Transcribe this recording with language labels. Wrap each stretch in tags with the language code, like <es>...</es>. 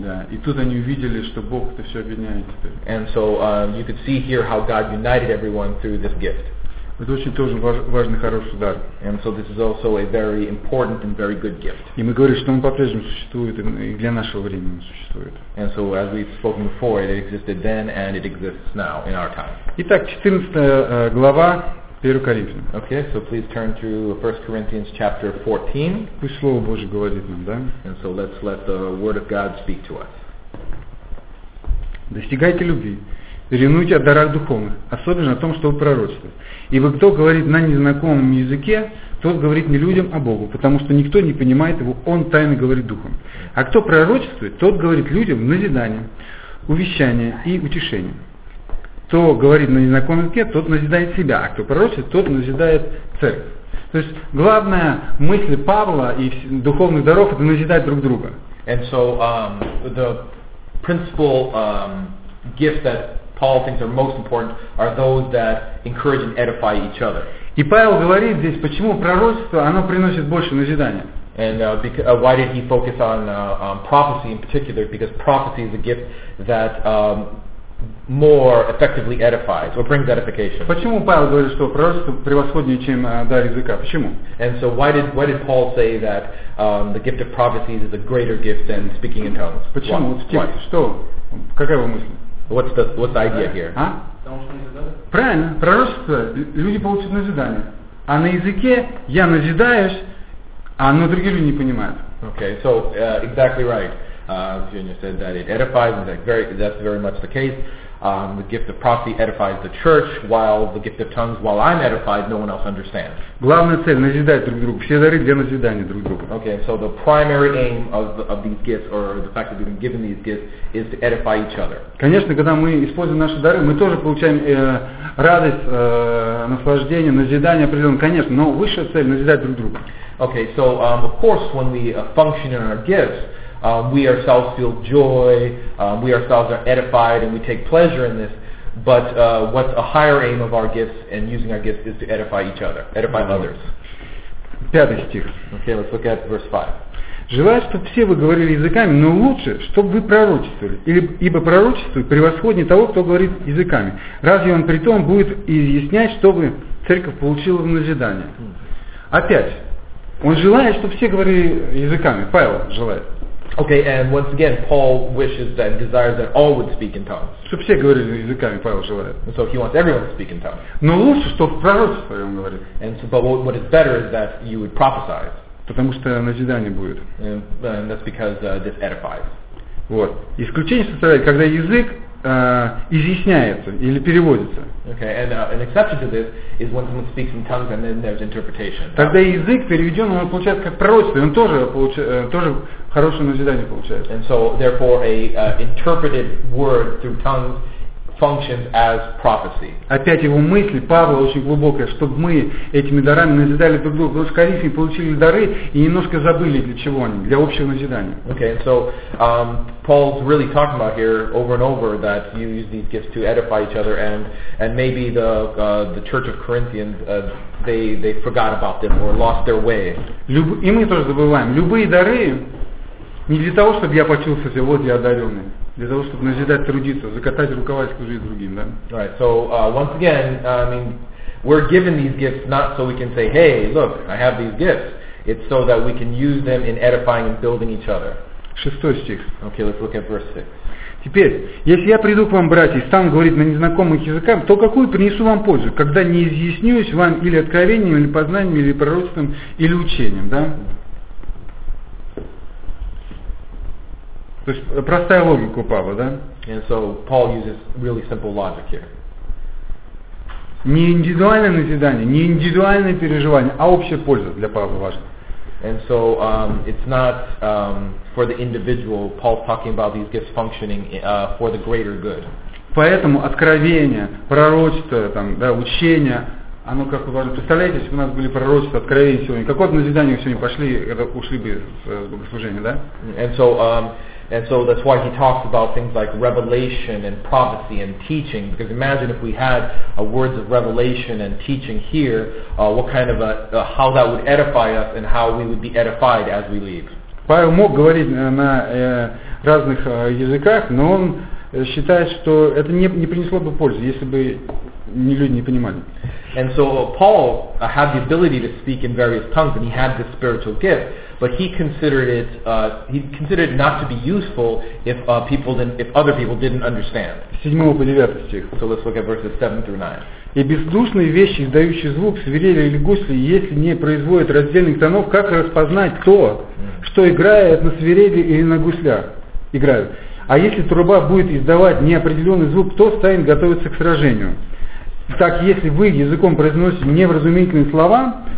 <ru>Да, и тут они увидели, что Бог это все объединяет теперь.</ru> <en>And so you could see here how God united everyone through this gift.</en> <ru>Это очень тоже важный, хороший дар.</ru> <en>And so this is also a very important and very good gift.</en> <ru>И мы говорим, что он по-прежнему существует, и для нашего времени существует.</ru> <en>And so as we've spoken before, it existed then and it exists now in our time.</en> <ru>Итак, 14 глава.</ru> <en>Okay, so please turn to 1 Corinthians chapter 14.</en> <ru>Пусть Слово Божие говорит нам, да?</ru> <en>And so let's let the Word of God speak to us.</en> <ru>Достигайте любви, ревнуйте о дарах духовных, особенно о том, что вы пророчествуете. Ибо кто говорит на незнакомом языке, Тот говорит не людям, а Богу, потому что никто не понимает его, он тайно говорит духом. А кто пророчествует, тот говорит людям назидание, увещание и утешение. Кто говорит на незнакомом языке, тот назидает себя, а кто пророчествует, тот назидает церковь. То есть главная мысль Павла и духовных даров – это назидать друг друга.</ru> <en>And so the principal gifts that Paul thinks are most important are those that encourage and edify each other.</en> <ru>И Павел говорит здесь, почему пророчество, оно приносит больше назидания.</ru> <en>And why did he focus on prophecy in particular? Because prophecy is a gift that more effectively edifies or brings edification.</en> <ru>Почему Павел говорит, что пророчество превосходнее, чем дар языка? Почему?</ru> <en>And so why did Paul say that the gift of prophecy is a greater gift than speaking in tongues?</en> <ru>Почему?</ru> <en>Why?</en> <ru>Что? Какая его мысль?</ru> <en>What's the idea here?</en> <ru>А? Правильно. Пророчество люди получат назидание, а на языке я назидаюсь, а но другие люди не понимают.</ru> <en>Okay, so exactly right. Junior said that it edifies, and that's very much the case. The gift of prophecy edifies the church, while the gift of tongues, while I'm edified, no one else understands.</en> <ru>Главная цель – назидать друг друга. Все дары для назидания друг друга.</ru> <en>Okay, so the primary aim of these gifts, or the fact that we've been given these gifts, is to edify each other.</en> <ru>Конечно, когда мы используем наши дары, мы тоже получаем радость, наслаждение, назидание определенное, конечно, но высшая цель – назидать друг друга.</ru> <en>Okay, so of course, when we function in our gifts, we ourselves feel joy, we ourselves are edified, and we take pleasure in this, but what's a higher aim of our gifts and using our gifts is to edify each other, edify others.</en> <ru>Пятый стих.</ru> <en>Okay, let's look at verse 5.</en> <ru>Желаю, чтобы все вы говорили языками, но лучше, чтобы вы пророчествовали, ибо пророчество превосходнее того, кто говорит языками. Разве он при том будет изъяснять, чтобы церковь получила назидание? Опять. Он желает, чтобы все говорили языками. Павел желает.</ru> <en>Okay, and once again, Paul wishes that and desires that all would speak in tongues.</en> <ru>Чтобы все говорили языками, Павел желает.</ru> <en>And so he wants everyone to speak in tongues.</en> <ru>Но лучше, что в пророчестве, он говорит.</ru> <en>And so, but what is better is that you would prophesize.</en> <ru>Потому что назидание будет.</ru> <en>And that's because this edifies.</en> <ru>Вот. Исключение составляет, когда язык изъясняется или переводится.</ru> <en>Okay, and an exception to this is when someone speaks in tongues and then there's interpretation.</en> <ru>Тогда язык переведен, он получает как пророчество, он тоже тоже хорошее назидание получает.</ru> <en>And so, therefore, a interpreted word through tongues functions as prophecy.</en> <ru>Опять его мысль, Павла, очень глубокая, чтобы мы этими дарами назидали друг друга, потому что корифеи получили дары и немножко забыли, для чего они, для общего назидания.</ru> <en>Okay, and so, Paul's really talking about here, over and over, that you use these gifts to edify each other, and maybe the Church of Corinthians, they forgot about them, or lost their way.</en> <ru>И мы тоже забываем, любые дары не для того, чтобы я почувствовал себя, вот я одаренный. Для того, чтобы назидать, трудиться, закатать рукава и служить другим, да?</ru> <en>Right. So once again, I mean, we're given these gifts not so we can say, hey, look, I have these gifts. It's so that we can use them in edifying and building each other.</en> <ru>Шестой стих.</ru> <en>Okay, let's look at verse 6.</en> <ru>Теперь, если я приду к вам, братья, и стану говорить на незнакомых языках, то какую принесу вам пользу, когда не изъяснюсь вам или откровением, или познанием, или пророчеством, или учением, да? То есть простая логика у Павла, да?</ru> <en>And so Paul uses really simple logic here.</en> <ru>Не индивидуальное назидание, не индивидуальное переживание, а общая польза для Павла важна.</ru> <en>And so it's not for the individual. Paul's talking about these gifts functioning for the greater good.</en> <ru>Поэтому откровение, пророчество, там, да, учение, оно как важно. Представляете, если бы у нас были пророчества, откровения сегодня, какое бы назидание мы сегодня пошли, когда ушли бы с богослужения, да?</ru> <en>And so And so that's why he talks about things like revelation and prophecy and teaching. Because imagine if we had words of revelation and teaching here, what kind of how that would edify us and how we would be edified as we leave.</en> <ru>Павел мог говорить на разных языках, но он считает, что это не принесло бы пользы, если бы не люди не понимали.</ru> <en>And so Paul had the ability to speak in various tongues, and he had this spiritual gift. But he considered it not to be useful if other people didn't understand.</en> <ru>С 7 по 9 стих.</ru> <en>So let's look at verses 7 through 9.</en> <ru>И бездушные вещи, издающие звук, свирели или гусли, если не производят раздельных тонов, как распознать то, что играет на свирели или на гуслях? Играют. А если труба будет издавать неопределенный звук, то станет готовиться к сражению. Так, если вы языком произносите невразумительные слова,</ru>